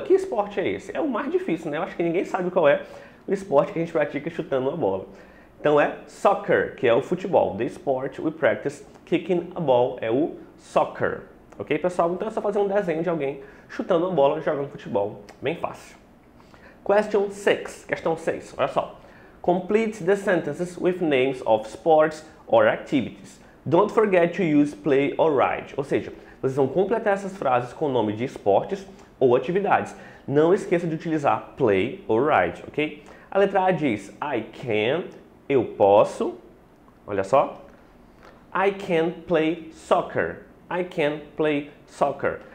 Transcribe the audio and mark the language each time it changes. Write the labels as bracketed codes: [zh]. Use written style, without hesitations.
[pt] Que esporte é esse? É o mais difícil, né? Eu acho que ninguém sabe qual é o esporte que a gente pratica chutando uma bola. Então é soccer, que é o futebol. [en] The sport we practice kicking a ball [pt] é o soccer. Ok, pessoal? Então é só fazer um desenho de alguém chutando uma bola jogando futebol. Bem fácil. [en] Question 6. [pt] Questão 6. Olha só. [en] Complete the sentences with names of sports or activities. Don't forget to use play or ride. [pt] Ou seja, vocês vão completar essas frases com o nome de esportes ou atividades. Não esqueça de utilizar play ou ride, ok? A letra A diz, [en] I can, [pt] eu posso, olha só. [en] I can play soccer, I can play soccer.